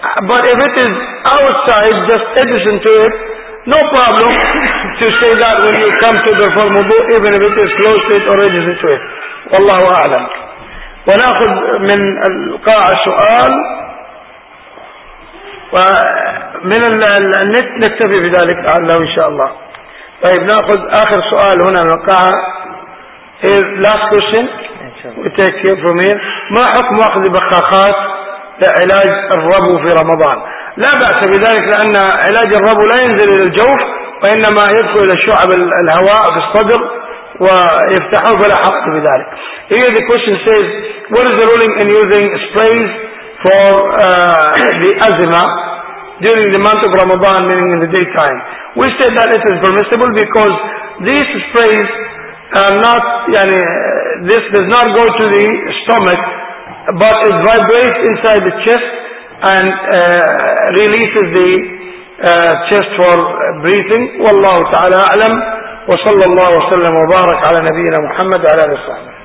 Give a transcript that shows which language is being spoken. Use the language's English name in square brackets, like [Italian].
[English] But if it is outside, just adjacent to it, no problem to say that when you come to the form of wudu, even if it is close to it or adjacent to it. [Arabic] والله أعلم. ونأخذ من القاعة سؤال ومن النت نكتفي بذلك لعله إن شاء الله. طيب نأخذ آخر سؤال هنا من القاعة. [English] Here, last question. We take it from here. [Arabic] ما حكم أخذ بخاخات لعلاج الربو في رمضان؟ لا بأس بذلك لأن علاج الربو لا ينزل إلى الجوف وإنما يدخل إلى شعب الهواء في الصدر ويفتحه فلا حق بذلك. [English] Here the question says, what is the ruling in using sprays for the asthma during the month of Ramadan, meaning in the daytime? We said that it is permissible because these sprays are not, يعني, this does not go to the stomach, but it vibrates inside the chest and releases the chest for breathing. [Arabic] والله تعالى أعلم. وصلى الله وسلم وبارك على نبينا محمد وعلى آله وصحبه.